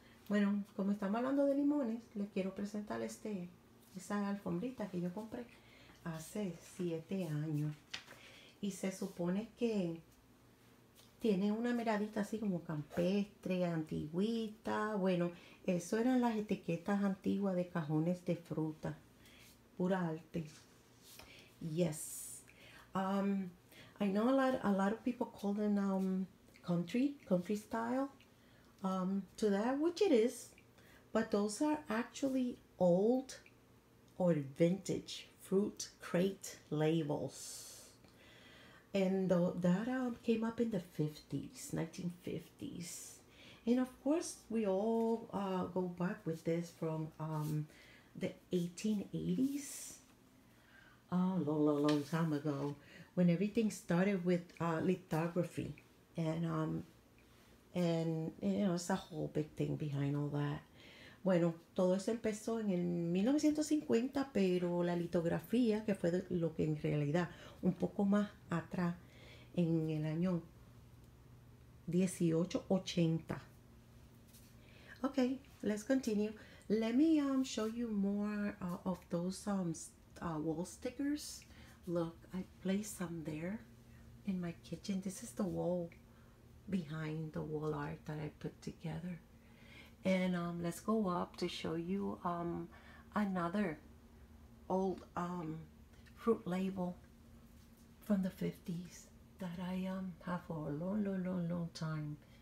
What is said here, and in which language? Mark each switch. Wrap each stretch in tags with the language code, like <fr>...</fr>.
<es>Bueno, como estamos hablando de limones, les quiero presentar esa alfombrita que yo compré hace 7 años. Y se supone que tiene una miradita así como campestre, antigüita. Bueno, eso eran las etiquetas antiguas de cajones de fruta. Pura arte. Yes.</es> <en>I know a lot of people call them country style to that, which it is, but those are actually old or vintage fruit crate labels. And that came up in the 50s, 1950s. And of course, we all go back with this from the 1880s, a long, long time ago. When everything started with lithography, and it's a whole big thing behind all that.</en> <es>Bueno, todo eso empezó en el 1950, pero la litografía, que fue lo que en realidad, un poco más atrás, en el año 1880.</es> <en>Okay, let's continue. Let me show you more of those wall stickers. Look, I placed some there in my kitchen. This is the wall behind the wall art that I put together. And let's go up to show you another old fruit label from the 50s that I have for a long, long, long, long time.</en>